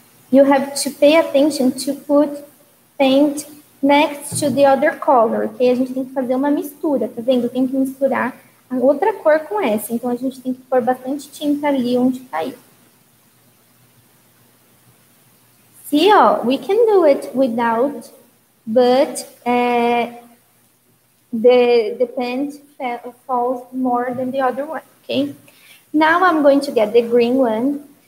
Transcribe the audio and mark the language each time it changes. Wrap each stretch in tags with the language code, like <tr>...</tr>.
<en>You have to pay attention to put paint next to the other color, ok?</en> <pt>A gente tem que fazer uma mistura, tá vendo? Tem que misturar a outra cor com essa. Então, a gente tem que pôr bastante tinta ali onde caiu.</pt> <en>See, oh, we can do it without, but the paint falls more than the other one, ok? Now, I'm going to get the green one.</en>